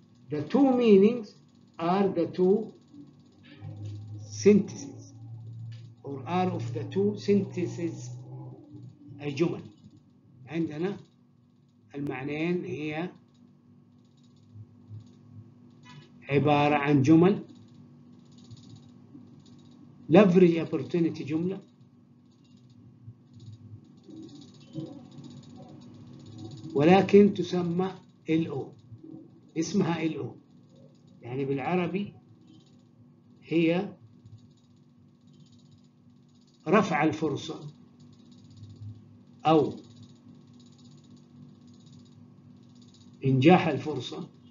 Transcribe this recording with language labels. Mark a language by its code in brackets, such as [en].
[en] The two meanings are the two sentences or are of the two sentences الجمل. [ar] عندنا المعنيين هي عبارة عن جمل. [en] Leverage opportunity [ar] جملة. ولكن تسمى LO، اسمها LO، يعني بالعربي هي رفع الفرصة أو إنجاح الفرصة.